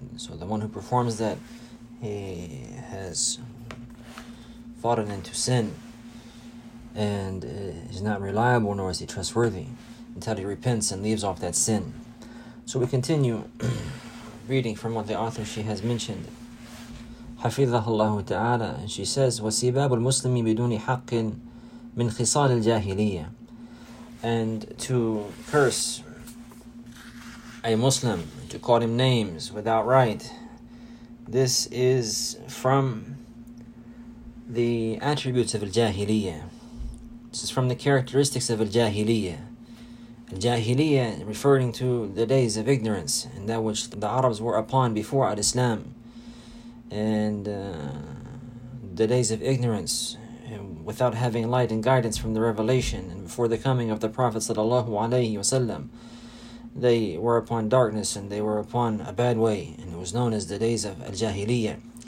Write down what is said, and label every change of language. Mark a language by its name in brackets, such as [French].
[English] So the one who performs that, he has fallen into sin and is not reliable, nor is he trustworthy, until he repents and leaves off that sin. So we continue reading from what the author she has mentioned. [Arabic] حفظها الله تعالى. [English] And she says, [Arabic] وسباب المسلم بدون حق من خصال الجاهلية. [English] And to curse a Muslim, to call him names without right, this is from the attributes of al-jahiliyyah. This is from the characteristics of al-jahiliyyah. Al-jahiliyyah, referring to the days of ignorance and that which the Arabs were upon before al-Islam, and the days of ignorance without having light and guidance from the revelation, and before the coming of the Prophet sallallahu alaihi wasallam, they were upon darkness and they were upon a bad way, and it was known as the days of al-jahiliyyah.